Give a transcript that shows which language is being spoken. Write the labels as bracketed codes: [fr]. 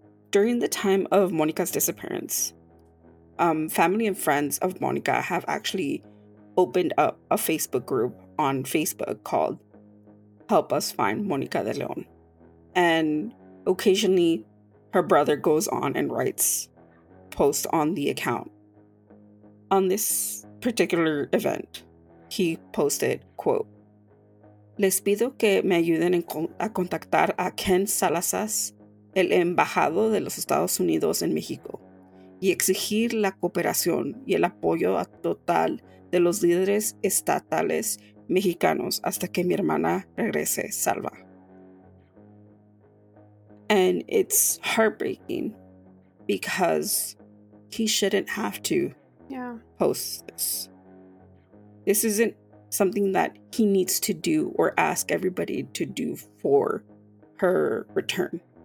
[en] During the time of Monica's disappearance, family and friends of Monica have actually opened up a Facebook group on Facebook called Help Us Find Monica de Leon. And occasionally, her brother goes on and writes posts on the account. On this particular event, he posted, quote, [es] Les pido que me ayuden a contactar a Ken Salazar, el embajador de los Estados Unidos en México, y exigir la cooperación y el apoyo total de los líderes estatales mexicanos hasta que mi hermana regrese salva. [en] And it's heartbreaking because he shouldn't have to post this. This isn't something that he needs to do or ask everybody to do for her return.